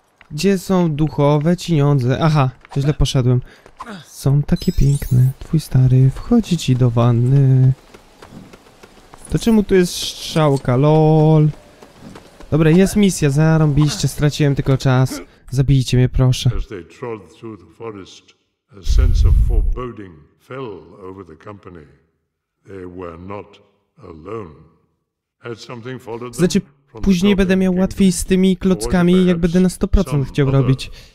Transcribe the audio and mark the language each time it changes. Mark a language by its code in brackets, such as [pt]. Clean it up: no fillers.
[pl] Gdzie są duchowe cieniądze? Aha, źle poszedłem. Są takie piękne. Twój stary wchodzi ci do wanny. To czemu tu jest strzałka? LOL. Dobra, jest misja. Zarąbiście, straciłem tylko czas. Zabijcie mnie, proszę. [en] As they trod through the forest, a sense of foreboding fell over the company. They were not alone. Had something followed them? [pl] Znaczy, później będę miał łatwiej z tymi klockami, jak będę na 100% chciał robić.